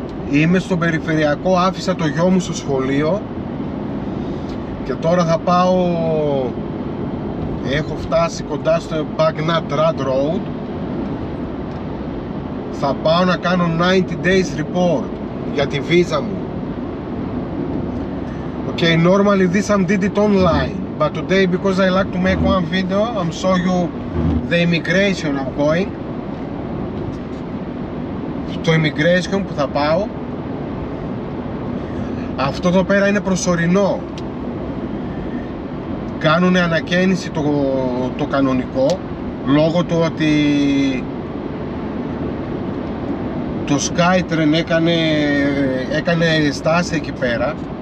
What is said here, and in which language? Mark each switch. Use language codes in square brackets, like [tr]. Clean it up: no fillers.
[el] Είμαι στο περιφερειακό, άφησα το γιο μου στο σχολείο και τώρα θα πάω. Έχω φτάσει κοντά στο Bagnat Rad Road. Θα πάω να κάνω 90 days report για τη βίζα μου. [en] Okay, normally this I did it online, but today because I like to make one video, I'm show you the immigration I'm going. [el] Το immigration που θα πάω. Αυτό εδώ πέρα είναι προσωρινό. Κάνουν ανακαίνιση το κανονικό, λόγω του ότι το SkyTrain έκανε στάση εκεί πέρα.